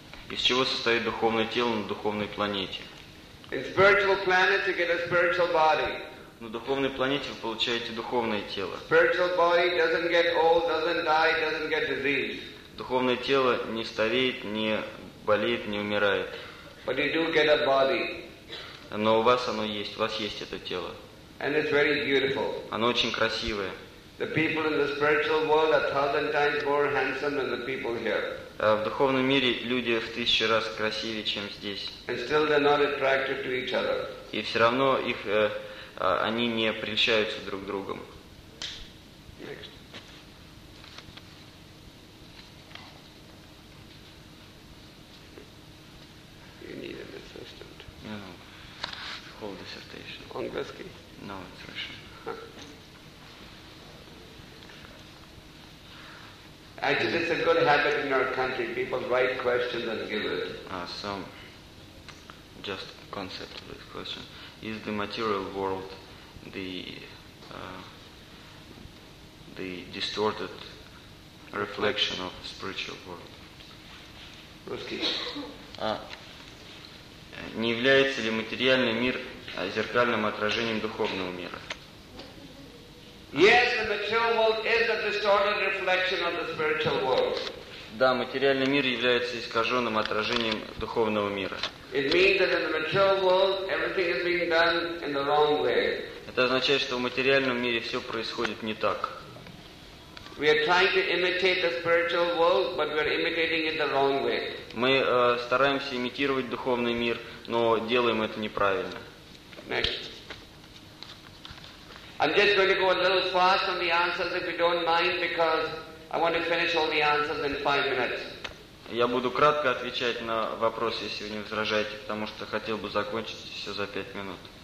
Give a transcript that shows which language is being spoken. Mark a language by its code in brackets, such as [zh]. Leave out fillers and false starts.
[ru] Из чего состоит духовное тело на духовной планете? [en] In spiritual planets, you get a spiritual body. [ru] На духовной планете вы получаете духовное тело. [en] Spiritual body doesn't get old, doesn't die, doesn't get diseased. [ru] Духовное тело не стареет, не болеет, не умирает. [en] But you do get a body. [ru] Но у вас оно есть, у вас есть это тело. [en] And it's very beautiful. [ru] Оно очень красивое. [en] The people in the spiritual world are 1,000 times more handsome than the people here. [ru] В духовном мире люди в 1,000 раз красивее, чем здесь. [en] And still they're not attracted to each other. [ru] И все равно их они не прельщаются друг другом. [en] Next. You need an assistant. No. Whole dissertation. [ru] Angleski? [en] No, it's Russian. Actually, it's a good habit in our country. People write questions and give it. Some just concept of this question. Is the material world the distorted reflection of the spiritual world? [ru] Не является ли материальный мир зеркальным отражением духовного мира? [en] Yes, the material world is a distorted reflection of the spiritual world. [ru] Да, материальный мир является искаженным отражением духовного мира. [en] It means that in the material world everything is being done in the wrong way. [ru] Это означает, что в материальном мире все происходит не так. [en] We are trying to imitate the spiritual world, but we are imitating it the wrong way. [ru] Мы стараемся имитировать духовный мир, но делаем это неправильно. [en] Next. I'm just going to go a little fast on the answers, if you don't mind, because I want to finish all the answers in 5 minutes. [ru] Я буду кратко отвечать на вопросы, если вы не возражаете, потому что хотел бы закончить все за 5 минут.